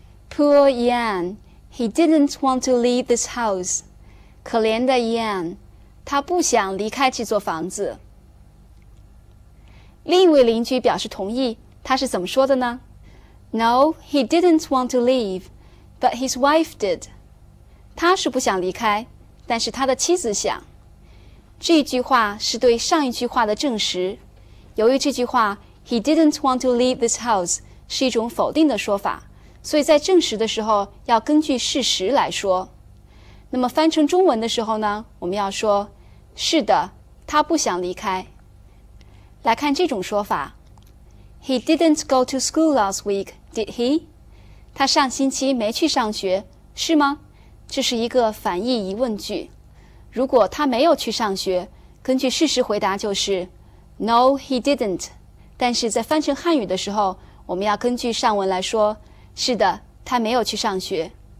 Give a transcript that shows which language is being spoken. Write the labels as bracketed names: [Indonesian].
[English] Poor Ian, he didn't want to leave this house. [Chinese] 可怜的 Ian, 他不想离开这座房子。另一位邻居表示同意，他是怎么说的呢？ [English] No, he didn't want to leave, but his wife did. [Chinese] 他是不想离开，但是他的妻子想。这句话是对上一句话的证实。由于这句话 [English] he didn't want to leave this house [Chinese] 是一种否定的说法，所以在证实的时候要根据事实来说。那么翻成中文的时候呢，我们要说是的，他不想离开。来看这种说法。 [English] He didn't go to school last week, did he? [Chinese] 他上星期没去上学，是吗？这是一个反义疑问句。如果他没有去上学，根据事实回答就是 [English] No, he didn't. [Chinese] 但是在翻成汉语的时候，我们要根据上文来说，是的，他没有去上学。